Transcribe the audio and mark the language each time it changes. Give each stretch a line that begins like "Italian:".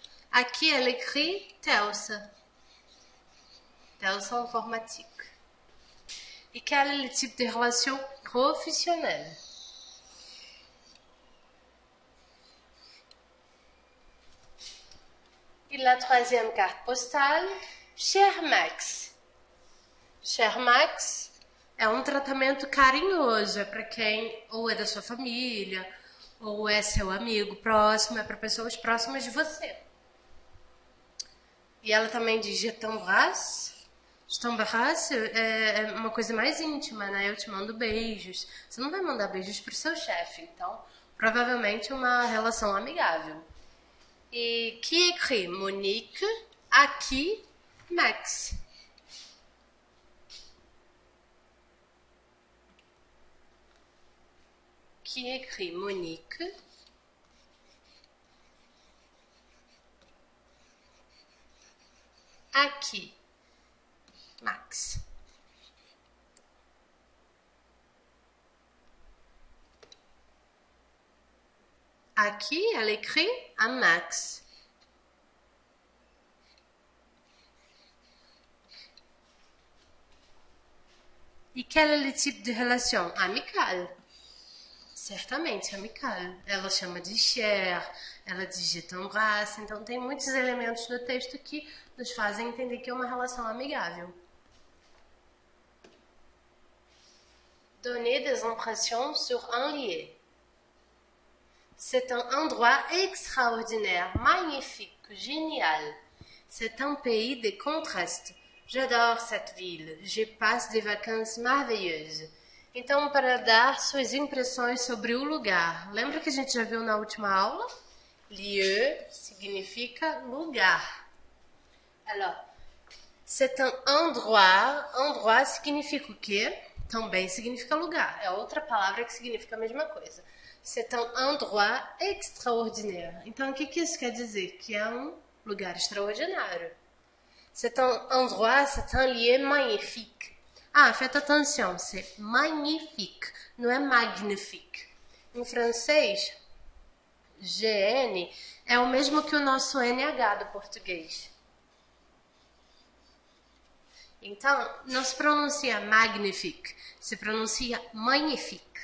French: À qui elle écrit? Thelsa. dans l'informatique. Et quel est le type de relation professionnelle? Et la troisième carte postale, cher Max. Cher Max
Portuguese: é um tratamento carinhoso, é para quem ou é da sua família, ou é seu amigo próximo, é para pessoas próximas de você. E ela também diz,
French: je t'embrasse. Je t'embrasse
Portuguese: é uma coisa mais íntima, né? Eu te mando beijos. Você não vai mandar beijos para o seu chefe, então provavelmente uma relação amigável.
French: E qui écrit Monique, aqui Max. Qui écrit Monique?
Portuguese: Aqui, Max.
French: Aqui, elle écrit à Max. E quel est le type de relation amicale? Certamente, amical.
Portuguese: Ela chama de cher, ela diz
French: je t'embrasse.
Portuguese: Então, tem muitos elementos no texto que nos fazem entender que é uma relação amigável.
French: Donner des impressions sur un lieu. C'est un endroit extraordinaire, magnifique, génial. C'est un pays de contrastes. J'adore cette ville. Je passe des vacances merveilleuses.
Portuguese: Então, para dar suas impressões sobre o lugar, lembra que a gente já viu na última aula? Lieu significa lugar.
French: Alors, c'est un endroit.
Portuguese: Endroit significa o quê? Também significa lugar. É outra palavra que significa a mesma coisa.
French: C'est un endroit extraordinaire.
Portuguese: Então, o que que isso quer dizer? Que é um lugar extraordinário.
French: C'est un endroit, c'est un lieu magnifique. Ah, faites attention, c'est magnifique,
Portuguese: não é
French: magnifique.
Portuguese: Em francês, GN é o mesmo que o nosso NH do português. Então, não se pronuncia magnifique, se pronuncia magnifique.